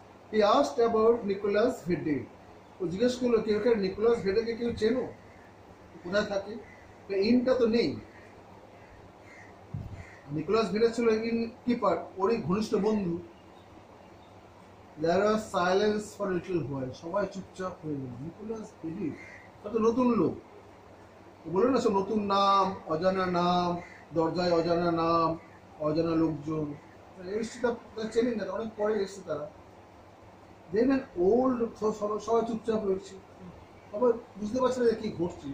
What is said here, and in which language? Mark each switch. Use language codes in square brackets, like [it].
[bn] He asked about Nicolas হেডে, ও জিজ্ঞেস করলো কেউ কে নিকোলাস হেডেকে কেউ চেনো, কোথায় থাকে, ইনটা তো নেই। নিকোলাস হেডে ছিল ইন কিপার, ওরই ঘনিষ্ঠ বন্ধু। [en] There was silence for a little while. [bn] সবাই চুপচাপ হয়ে গেল। নিকোলাস হেডে কত নতুন লোক, বলে না সব নতুন নাম, অজানা নাম, দরজায় অজানা নাম, অজানা লোকজন এসছে, তা চেনি না, অনেক পরে এসছে তারা। দেন অ্যান ওল্ড, সবাই চুপচাপ হয়েছে, সবাই বুঝতে পারছে না যে কী ঘটছে।